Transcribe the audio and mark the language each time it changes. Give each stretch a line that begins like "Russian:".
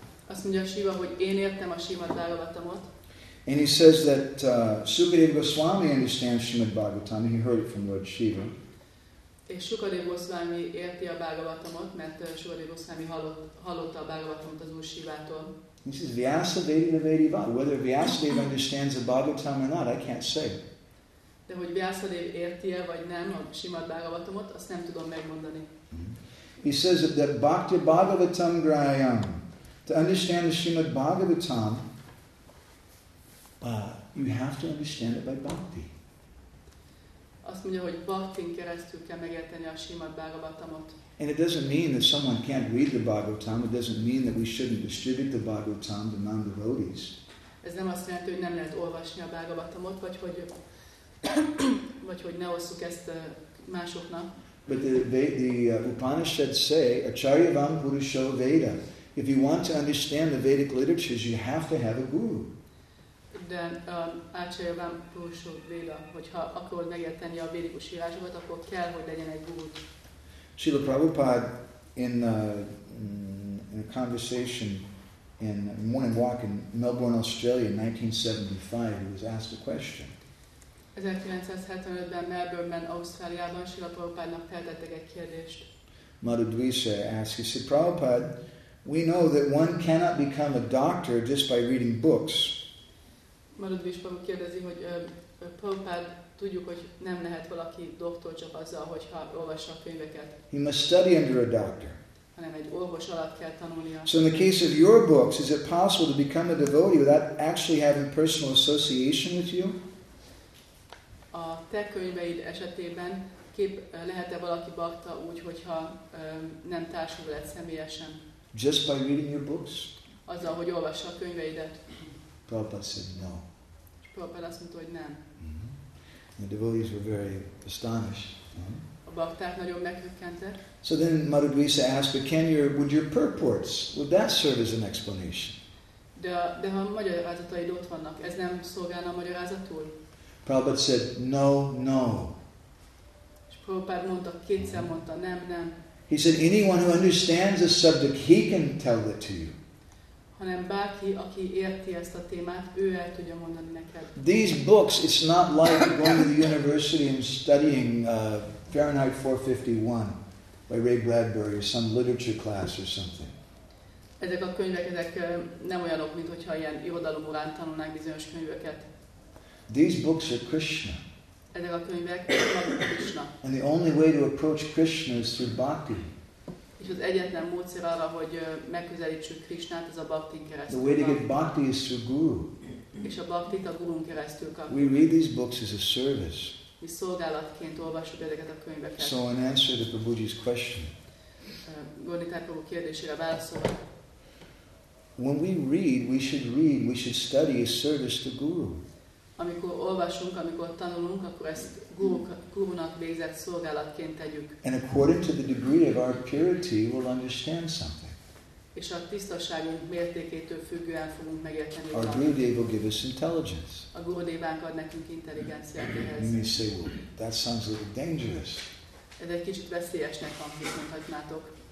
Hungarian: Azt mondja Shiva, hogy én értem a Srimad Bhagavatamot.
English: And he says that Sukadeva Goswami understands Srimad Bhagavatam. He heard it from Lord Shiva.
Hungarian: És Sukadeva Goswami érti a Bhagavatamot, mert Sukadeva Goswami hallotta a Bhagavatamot az Úr Shivától.
English: He says, Vyasadeva, whether Vyasadeva understands the Bhagavatam or not, I can't say.
Hungarian: De hogy Vyasadeva érti-e vagy nem a Srimad Bhagavatamot, azt nem tudom megmondani.
English: He says that
Sanskrit: bhakti bhagavatam grayam,
English: to understand the Srimad Bhagavatam, you have to understand it by bhakti.
Hungarian: Azt mondja, hogy bhaktin keresztül kell megérteni a Srimad Bhagavatamot.
English: And it doesn't mean that someone can't read the Bhagavatam. It doesn't mean that we shouldn't distribute the Bhagavatam to non-devotees.
Hungarian: Ez nem azt jelenti, hogy nem lehet olvasni a Bhagavatamot, vagy hogy ne osszuk ezt másoknak.
English: But the Upanishads say,
Sanskrit: Acharyavam Purusho Veda.
English: If you want to understand the Vedic literatures, you have to have a guru.
Hungarian: De
Sanskrit: Acharyavam Purusho Veda,
Hungarian: hogyha akarod megérteni a védikus írásokat, akkor kell, hogy legyen egy guru.
English: Srila Prabhupada in a conversation in a morning walk in Melbourne, Australia in 1975, he was asked a question.
Hungarian: 1975-ben Melbourne-ben, Ausztráliában Srila Prabhupádnak feltettek egy kérdést.
English: Madhudvisa asked, he said, Prabhupada, we know that one cannot become a doctor just by reading books.
Hungarian: Madhudvisa kérdezi, hogy Prabhupada, tudjuk, hogy nem lehet valaki doktor csak azzal, hogyha olvassa könyveket.
English: He must study under a doctor.
Hungarian: Hanem egy orvos alatt kell tanulnia.
English: So in the case of your books, is it possible to become a devotee without actually having personal association with you?
Hungarian: A te könyveid esetében kép lehet-e valaki bhakta úgy, hogyha nem társul veled személyesen?
English: Just by reading your books?
Hungarian: Azzal, hogy olvassa a könyveidet.
English: Prabhupada said no.
Hungarian: És Prabhupada azt mondta, hogy nem.
English: The devotees were very astonished.
Hungarian: A bhakták nagyon meghökkentek.
English: So then Madhudvisa asked, "But would your purports, would that serve as an explanation?"
Hungarian: De ha magyarázataid ott vannak, ez nem szolgálna a magyarázatul?
English: Prabhupada said, no, no.
Hungarian: És Prabhupada mondta, kétszer mondta, nem, nem.
English: He said, anyone who understands the subject, he can tell it to you.
Hungarian: Hanem bárki, aki érti ezt a témát, ő el tudja mondani neked.
English: These books, it's not like going to the university and studying Fahrenheit 451 by Ray Bradbury or some literature class or something.
Hungarian: Ezek a könyvek, ezek nem olyanok, mint hogyha ilyen irodalom órán tanulnánk bizonyos könyveket.
English: These books are Krishna.
Hungarian: Ezek a könyvek Krishna.
English: And the only way to approach Krishna is through bhakti.
Hungarian: És az egyetlen módszer arra, hogy megközelítsük Krishnát, az a bhakti keresztül.
English: The way to get bhakti is through guru.
Hungarian: És a bhaktit a gurun keresztül kapjuk.
English: We read these books as a service.
Hungarian: Mi szolgálatként olvassuk ezeket a könyveket.
English: So in answer to Prabhuji's question.
Hungarian: Gornitár Prabhu kérdésére válaszolva.
English: When we read, we should read, we should study as service to guru.
Hungarian: Amikor olvasunk, amikor tanulunk, akkor ezt gurunak végzett szolgálatként tegyük.
English: And according to the degree of our purity, we'll understand something.
Hungarian: És a tisztaságunk mértékétől függően fogunk megérteni.
English: Our gurudev will give us intelligence.
Hungarian: A gurudevánk ad nekünk intelligenciát.
English: You may say, well, that sounds a little dangerous.
Hungarian: Ez egy kicsit veszélyesnek hangzik, mondhatnátok.